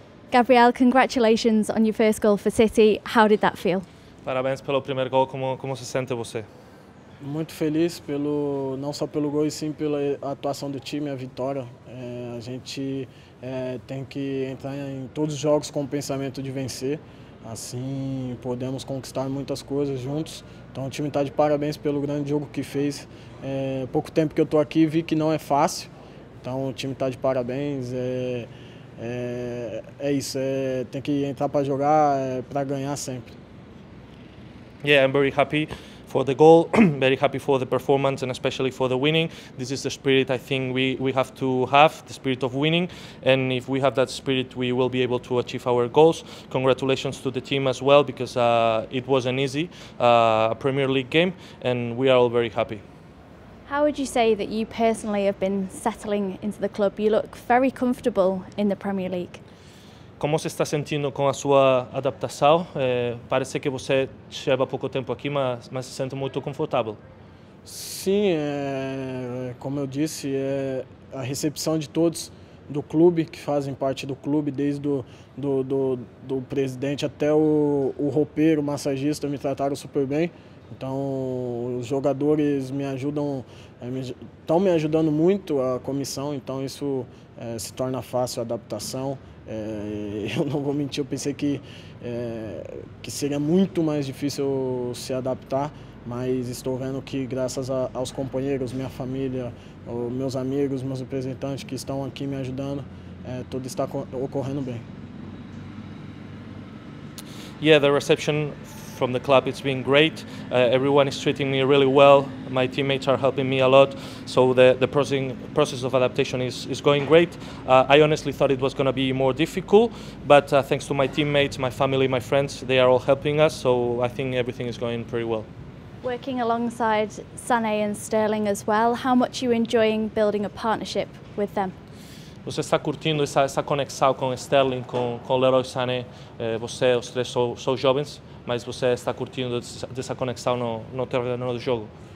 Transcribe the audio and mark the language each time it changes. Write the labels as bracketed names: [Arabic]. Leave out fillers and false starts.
[English] Gabriel, congratulations on your first goal for City. How did that feel? [Portuguese] Parabéns pelo primeiro gol. Como se sente você? Muito feliz pelo não só pelo gol e sim pela atuação do time, a vitória. A gente tem que entrar em todos os jogos com o pensamento de vencer. Assim podemos conquistar muitas coisas juntos. Então o time está de parabéns pelo grande jogo que fez. Pouco tempo que eu estou aqui vi que não é fácil. Então o time está de parabéns. É isso. Tem que entrar para jogar para ganhar sempre. [English] Yeah, I'm very happy for the goal, very happy for the performance and especially for the winning. This is the spirit I think we have to have, the spirit of winning. And if we have that spirit, we will be able to achieve our goals. Congratulations to the team as well, because it was an easy Premier League game and we are all very happy. How would you say that you personally have been settling into the club? You look very comfortable in the Premier League. [Portuguese] Como se está sentindo com a sua adaptação? Parece que você chega há pouco tempo aqui, mas se sente muito confortável. Sim, como eu disse, a recepção de todos do clube, que fazem parte do clube, desde do presidente até o roupeiro, o massagista, me trataram super bem. Então, os jogadores me ajudam, estão me ajudando muito, a comissão, então isso se torna fácil a adaptação. Eu não vou mentir, eu pensei que seria muito mais difícil se adaptar, mas estou vendo que graças aos companheiros, minha família, meus amigos, meus representantes que estão aqui me ajudando, tudo está ocorrendo bem. [English] Yeah, the reception from the club, it's been great. Everyone is treating me really well. My teammates are helping me a lot. So the process of adaptation is going great. I honestly thought it was going to be more difficult, but thanks to my teammates, my family, my friends, they are all helping us. So I think everything is going pretty well. Working alongside Sané and Sterling as well, how much are you enjoying building a partnership with them? [Portuguese] Você está curtindo essa conexão com Sterling, com Leroy Sané? Você, os três são jovens, mas você está curtindo dessa conexão no terreno do jogo?